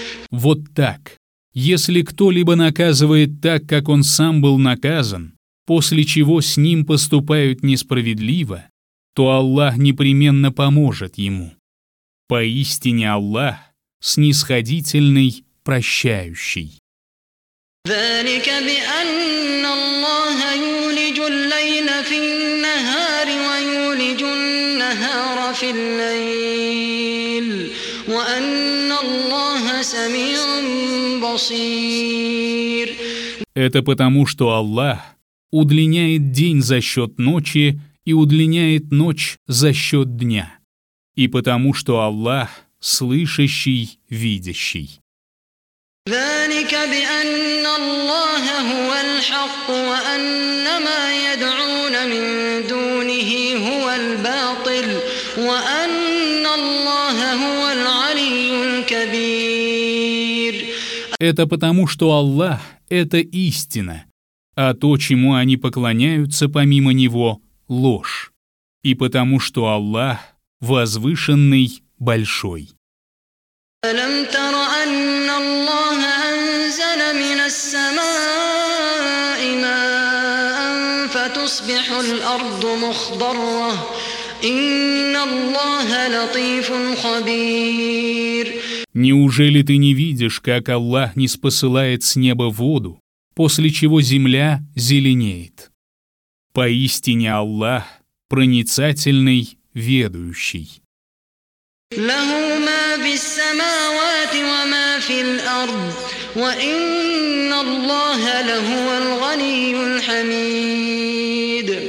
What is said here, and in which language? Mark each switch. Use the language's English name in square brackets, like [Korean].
[Russian] Вот так. Если кто-либо наказывает так, как он сам был наказан, после чего с ним поступают несправедливо, то Аллах непременно поможет ему. Поистине Аллах – снисходительный, прощающий. [Arabic] ذلك بأن الله يولج الليل في النهار ويولج النهار في الليل وأن الله سميع بصير. [Russian] Это потому, что Аллах удлиняет день за счет ночи и удлиняет ночь за счет дня, и потому, что Аллах слышащий, видящий. [Arabic] ذلك بأن الله هو الحق وأن ما يدعون من دونه هو الباطل وأن الله هو العلي الكبير. [Russian] Это потому, что Аллах – это истина, а то, чему они поклоняются помимо Него – ложь, и потому, что Аллах – возвышенный, большой. [Arabic] ألم تر أن الله أنزل من السماء ماء فتصبح الأرض مخضرة إن الله لطيف خبير. [Russian] Неужели ты не видишь, как Аллах ниспосылает с неба воду, после чего земля зеленеет? Поистине Аллах проницательный, ведущий. [Arabic] لَهُ مَا فِي السَّمَاوَاتِ وَمَا فِي الْأَرْضِ وَإِنَّ اللَّهَ لَهُوَ الْغَنِيُّ الْحَمِيدُ.